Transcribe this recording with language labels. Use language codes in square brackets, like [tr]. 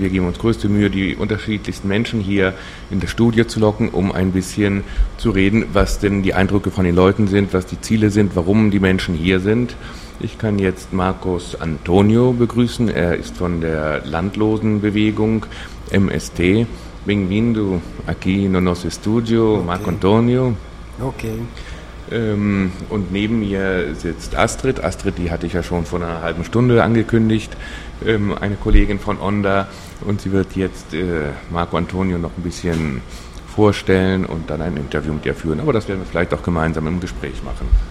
[de] Wir geben uns größte Mühe, die unterschiedlichsten Menschen hier in das Studio zu locken, um ein bisschen zu reden, was denn die Eindrücke von den Leuten sind, was die Ziele sind, warum die Menschen hier sind. Ich kann jetzt Marcos Antonio begrüßen. Er ist von der Landlosenbewegung MST. [pt] Bem-vindo aqui no nosso estúdio, okay. Marco Antonio. Okay. [de] Und neben mir sitzt Astrid. Astrid, die hatte ich ja schon vor einer halben Stunde angekündigt, eine Kollegin von Onda. Und sie wird jetzt Marco Antonio noch ein bisschen vorstellen und dann ein Interview mit ihr führen. Aber das werden wir vielleicht auch gemeinsam im Gespräch machen.